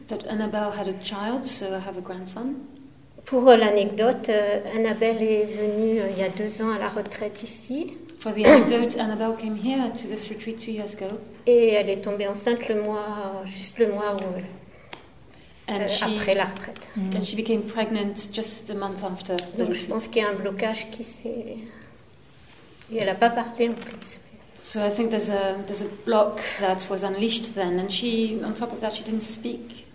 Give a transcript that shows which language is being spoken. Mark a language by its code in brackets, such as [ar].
[en] That Annabelle had a child, so I have a grandson. [fr] Pour l'anecdote, Annabelle est venue il y a 2 ans à la retraite ici. [en] For the anecdote, Annabelle came here to this retreat 2 years ago. [fr] Et elle est tombée enceinte après la retraite. Mm. [en] And she became pregnant just a month after. [fr] Donc je pense qu'il y a un blocage qui s'est... Et elle n'a pas parté en plus. [en] So I think there's a block that was unleashed then, and she, on top of that, she didn't speak.